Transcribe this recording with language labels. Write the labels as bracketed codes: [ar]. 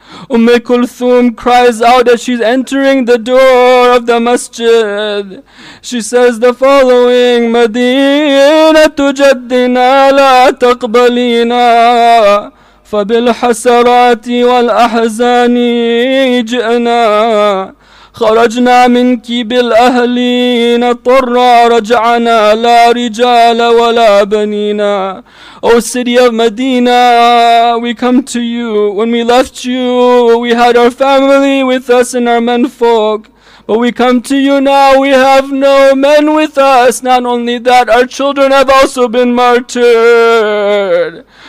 [en] Umm Kulthum cries out as she's entering the door of the masjid. She says the following: [ar] مدينة جدنا لا تقبلينا فبالحسرات والأحزان جئنا خرجنا منك بالأهل نطر رجعنا لا رجال ولا بنينا. [en] O city of Medina, we come to you. When we left you, we had our family with us and our menfolk. But we come to you now, we have no men with us. Not only that, our children have also been martyred.